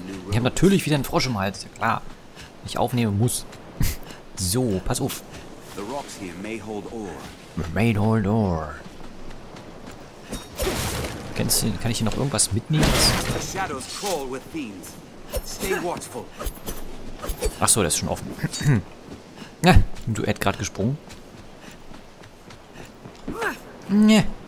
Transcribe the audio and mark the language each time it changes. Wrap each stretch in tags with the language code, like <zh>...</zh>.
<de>Ich habe natürlich wieder einen Frosch im Hals. Ja, klar. Ich aufnehmen muss. So, pass auf.</de> <en>The rocks here may hold ore. May hold ore.</en> <de>Kennst du, kann ich hier noch irgendwas mitnehmen?</de> <en>The shadows crawl with fiends. Stay watchful.</en> <de>Ach so, der ist schon offen. Na, ja, du Ed gerade gesprungen. Ja.</de>